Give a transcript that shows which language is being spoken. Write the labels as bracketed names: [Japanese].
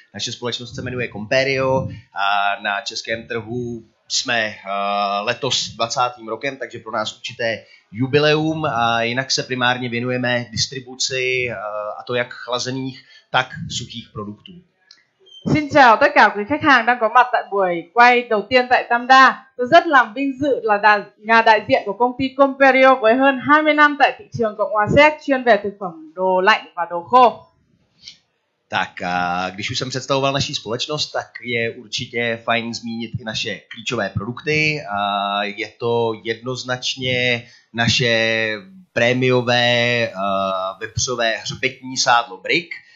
[Czech] Naše společnost se jmenuje Comperio a na českém trhu jsme letos 20. rokem, takže pro nás určité jubileum. A jinak se primárně věnujeme distribuci, a to jak chlazených, tak suchých produktů. [Vietnamese] Xin chào tất cả quý khách hàng đang có mặt tại buổi quay đầu tiên tại Tamda. Tôi rất làm vinh dự là nhà đại diện của công ty Comperio với hơn 20 năm tại thị trường Cộng hòa Séc chuyên về thực phẩm đồ lạnh và đồ khô. [Czech] Tak, když už jsem představoval naší společnost, tak je určitě fajn zmínit i naše klíčové produkty. Je to jednoznačně naše prémiové vepřové hřbetní sádlo Brick.